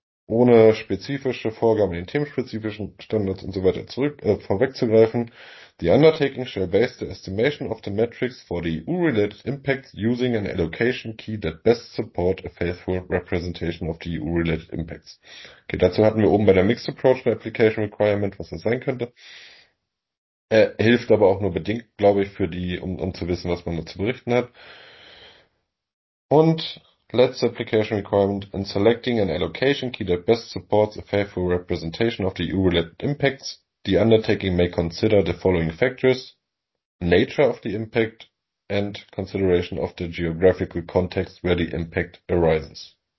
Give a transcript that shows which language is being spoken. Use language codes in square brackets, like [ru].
[de] Ohne spezifische Vorgaben in den themenspezifischen Standards und so weiter vorwegzugreifen. [en] The undertaking shall base the estimation of the metrics for the EU-related impacts using an allocation key that best support a faithful representation of the EU-related impacts. [de] Okay, dazu hatten wir oben bei der Mixed Approach eine Application Requirement, was das sein könnte. Hilft aber auch nur bedingt, glaube ich, für die, um zu wissen, was man da zu berichten hat. [en] Und letzte Application Requirement, in selecting an allocation key that best supports a faithful representation of the EU-related impacts, the undertaking may consider the following factors, nature of the impact and consideration of the geographical context where the impact arises.